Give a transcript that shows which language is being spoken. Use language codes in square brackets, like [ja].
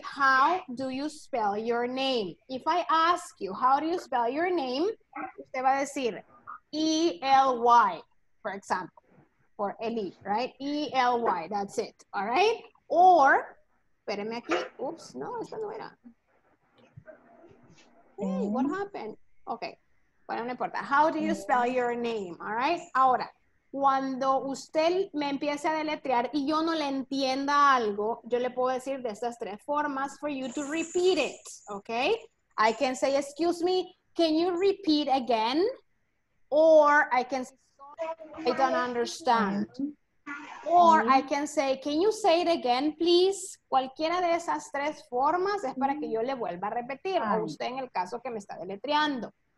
[en] How do you spell your name? If I ask you, how do you spell your name? [es] Usted va a decir, [en] E-L-Y, for example, for Eli, right? E-L-Y, that's it, all right? [es] Or, espéreme aquí, oops, no, esta no era. [en] Hey, what happened? Okay, [es] bueno, no importa. [en] How do you spell your name, all right? [es] Ahora, cuando usted me empiece a deletrear y yo no le entienda algo, yo le puedo decir de estas tres formas [en] for you to repeat it, [es] okay? [en] I can say, excuse me, can you repeat again? Or I can say, I don't understand. Or I can say, can you say it again, please? [es] Cualquiera de esas tres formas es para que yo le vuelva a repetir. O usted en el caso que me está deletreando.